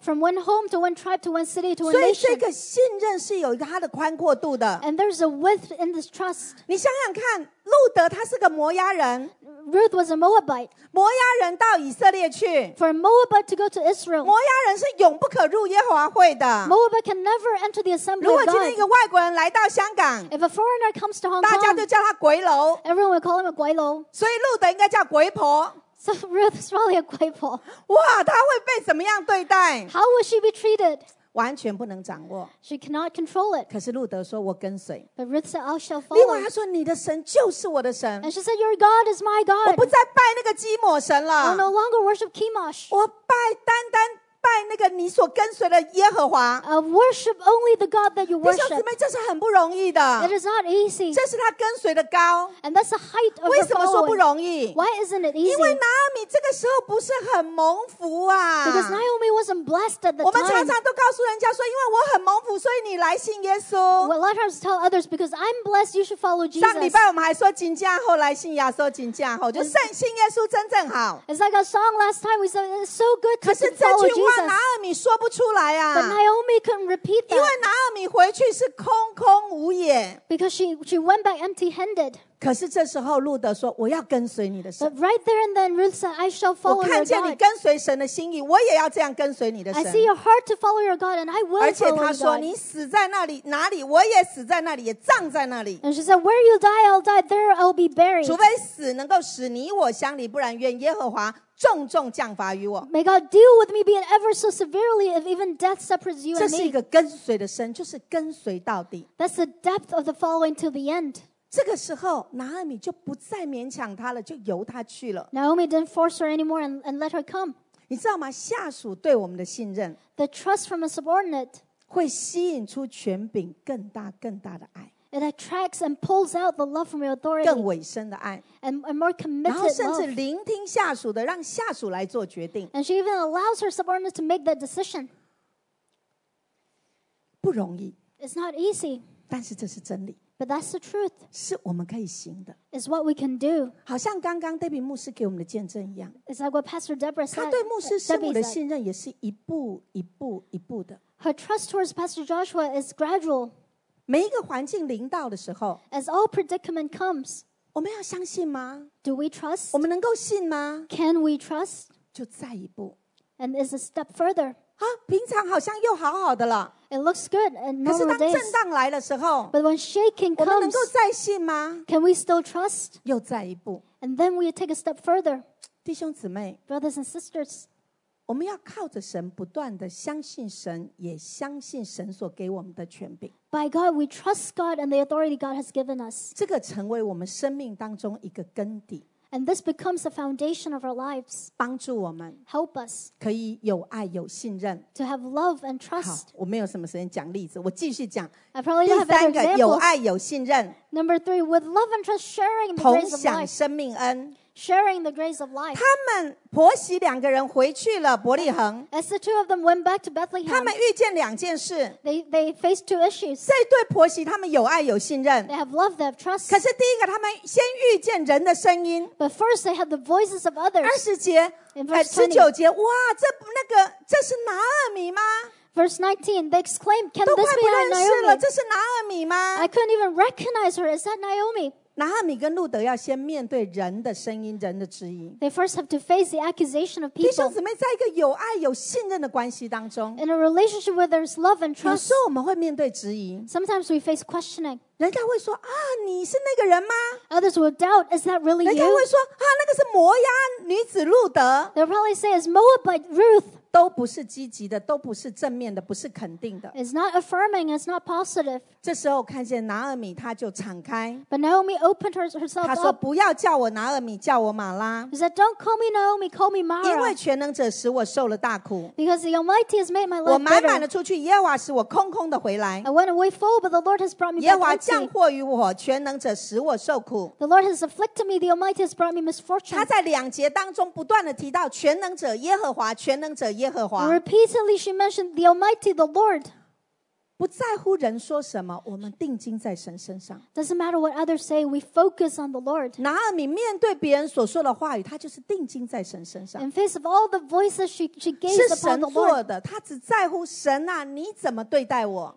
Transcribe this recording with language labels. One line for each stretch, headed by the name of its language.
English: From one home to one tribe to one city to one nation.
Chinese: 所以这个信任是有一个它的宽阔度的。
English: And there's a width in this trust.
Chinese: 你想想看，路德他是个摩押人。
English: Ruth was a Moabite.
Chinese: 摩押人到以色列去。
English: For a Moabite to go to Israel.
Chinese: 摩押人是永不可入耶和华会的。
English: Moabite can never enter the assembly of God.
Chinese: 如果今天一个外国人来到香港。
English: If a foreigner comes to Hong Kong.
Chinese: 大家就叫他鬼楼。
English: Everyone will call him a 鬼楼。
Chinese: 所以路德应该叫鬼婆。
English: So Ruth is probably a 鬼婆。
Chinese: 哇，她会被怎么样对待
English: ？How will she be treated?
Chinese: 完全不能掌握。
English: She cannot control it.
Chinese: 可是路德说：“我跟随。”
English: But Ruth said, "I shall follow."
Chinese: 另外，他说：“你的神就是我的神。”
English: And she said, "Your God is my God."
Chinese: 我不再拜那个基摩神了。
English: I no longer worship Chemosh.
Chinese: 我拜单单。拜那个你所跟随的耶和华。
English: Worship only the God that you worship.
Chinese: 弟兄姊妹，这是很不容易的。
English: It is not easy.
Chinese: 这是他跟随的高。
English: And that's the height of the following.
Chinese: 为什么说不容易
English: ？Why isn't it easy?
Chinese: 因为拿俄米这个时候不是很蒙福啊。
English: Because Naomi wasn't blessed at the time.
Chinese: 我们常常都告诉人家说，因为我很蒙福，所以你来信耶稣。
English: Well, a lot of times tell others because I'm blessed, you should follow Jesus.
Chinese: 上礼拜我们还说金家后来信耶稣，金家后就信耶稣真正好。
English: It's like a song last time we said, "It's so good to follow Jesus."
Chinese: 可是这句话。话拿俄米说不出来啊。
English: But Naomi couldn't repeat that.
Chinese: 因为拿俄米回去是空空无也。
English: Because she went back empty-handed.
Chinese: 可是这时候路德说：“我要跟随你的神。”
English: But right there and then, Ruth said, "I shall follow your God."
Chinese: 我看见你跟随神的心意，我也要这样跟随你的神。
English: I see your heart to follow your God, and I will follow your God.
Chinese: 而且他说：“你死在那里，哪里我也死在那里，也葬在那里。”
English: And she said, "Where you die, I'll die. There I'll be buried."
Chinese: 除非死能够使你我相离，不然愿耶和华重重降罚于我。
English: May God deal with me, be it ever so severely, if even death separates you and me.
Chinese: 这是一个跟随的身，就是跟随到底。
English: That's the depth of the following till the end.
Chinese: 这个时候，拿俄米就不再勉强他了，就由他去了。
English: Naomi didn't force her anymore and let her come.
Chinese: 你知道吗？下属对我们的信任
English: ，the trust from a subordinate,
Chinese: 会吸引出权柄更大更大的爱。
English: It attracts and pulls out the love from your authority.
Chinese: 更委身的爱
English: and more committed love.
Chinese: 然后甚至聆听下属的，让下属来做决定。
English: And she even allows her subordinates to make that decision.
Chinese: 不容易。
English: It's not easy.
Chinese: 但是这是真理。
English: But that's the truth.
Chinese: 是我们可以行的。
English: It's what we can do.
Chinese: 好像刚刚 Debbie 牧师给我们的见证一样。
English: It's like what Pastor Deborah said.
Chinese: 他对牧师师母的信任也是一步一步一步的。
English: Her trust towards Pastor Joshua is gradual.
Chinese: 每一个环境临到的时候
English: ，As all predicament comes，
Chinese: 我们要相信吗
English: ？Do we trust？
Chinese: 我们能够信吗
English: ？Can we trust？
Chinese: 就再一步
English: ，And it's a step further。
Chinese: 啊，平常好像又好好的了
English: ，It looks good and normal days。
Chinese: 可是当震荡来的时候
English: ，But when shaking comes，
Chinese: 我们能够再信吗
English: ？Can we still trust？
Chinese: 又再一步
English: ，And then we take a step further。
Chinese: 弟兄姊妹
English: ，Brothers and sisters。
Chinese: 我们要靠着神不断地相信神，也相信神所给我们的权柄。
English: By God, we trust God and the authority God has given us.
Chinese: 这个成为我们生命当中一个根底。
English: And this becomes the foundation of our lives.
Chinese: 帮助我们。
English: Help us.
Chinese: 可以有爱有信任。
English: To have love and trust.
Chinese: 好，我没有什么时间讲例子，我继续讲。
English: I probably don't have other examples.
Chinese: 第三个，有爱有信任。
English: Number three, with love and trust, sharing the grace of life.
Chinese: 同享生命恩。
English: Sharing the grace of life.
Chinese: 他们婆媳两个人回去了伯利恒。
English: As the two of them went back to Bethlehem,
Chinese: 他们遇见两件事。
English: They faced two issues.
Chinese: 这对婆媳他们有爱有信任。
English: They have love, they have trust.
Chinese: 可是第一个，他们先遇见人的声音。
English: But first, they have the voices of others.
Chinese: 二十节，十九节，哇，这那个，这是拿俄米吗？
English: Verse 19, they exclaimed, "Can this be Naomi?"
Chinese: 都快不认识了，这是拿俄米吗
English: ？I couldn't even recognize her. Is that Naomi?
Chinese: 拿俄米跟路德要先面对人的声音，人的质疑。
English: They first have to face the accusation of people.
Chinese: 弟兄姊妹，在一个有爱有信任的关系当中
English: ，in a relationship where there's love and trust，
Chinese: 有时候我们会面对质疑。
English: Sometimes we face questioning.
Chinese: 人家会说啊，你是那个人吗
English: ？Others will doubt, is that really you?
Chinese: 人家会说啊，那个是摩押女子路德。
English: They'll probably say, "Is Moabite Ruth?"
Chinese: 都不是积极的，都不是正面的，不是肯定的。
English: It's not affirming, it's not positive.
Chinese: 这时候看见拿俄米，他就敞开。
English: But Naomi opened herself up.
Chinese: 他说：“不要叫我拿俄米，叫我马拉。”
English: She said, "Don't call me Naomi, call me Mara."
Chinese: 因为全能者使我受了大苦。
English: Because the Almighty has made my life bitter.
Chinese: 我满满的出去，耶和华使我空空的回来。
English: I went away full, but the Lord has brought me back empty.
Chinese: 耶和华降祸于我，全能者使我受苦。
English: The Lord has afflicted me, the Almighty has brought me misfortune.
Chinese: 他在两节当中不断的提到全能者耶和华，全能者耶和华。
English: Repeatedly, she mentioned the Almighty, the Lord.
Chinese: 不在乎人说什么，我们定睛在神身上。
English: Doesn't matter what others say, we focus on the Lord.
Chinese: 拿俄米面对别人所说的话语，他就是定睛在神身上。
English: In face of all the voices, she gazed upon the Lord.
Chinese: 是神做的，他只在乎神啊，你怎么对待我